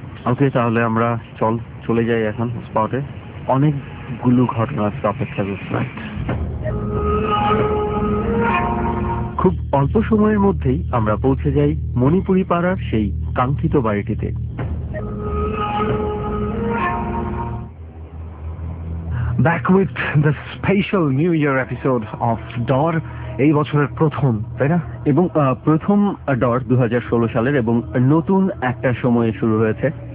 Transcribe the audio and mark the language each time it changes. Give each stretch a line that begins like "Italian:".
Bangla: ওকে, তাহলে আমরা চল চলে যাই এখন স্পটে। অনেকগুলো ঘটনা আজকে অপেক্ষা করছে। খুব অল্প সময়ের মধ্যেই আমরা পৌঁছে যাই মণিপুরি পাড়ার সেই কাঙ্ক্ষিত বাড়িটিতে।
English: Back with the special New Year episode of Dor.
Bangla: এই বছরের প্রথম, তাই না? এবং প্রথম ডর 2016 সালের, এবং নতুন একটা সময়ে শুরু হয়েছে।